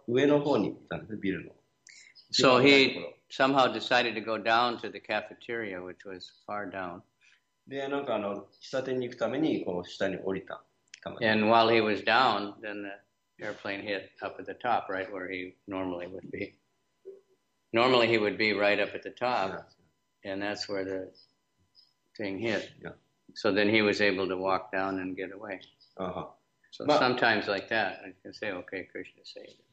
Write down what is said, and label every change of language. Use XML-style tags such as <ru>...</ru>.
<ja>でもう一人の献身者はその時もう一番上の方にいたんですビルの。So</ja> <en>he somehow decided to go down to the cafeteria, which was far down.</en> <ja>で、なんか喫茶店に行くためにこう下に降りた。And</ja> <en>while he was down, then the airplane hit up at the top, right where he normally would be. Normally he would be right up at the top, and that's where the thing hit. So then he was able to walk down and get away. So sometimes like that, I can say, okay, Krishna saved.</en>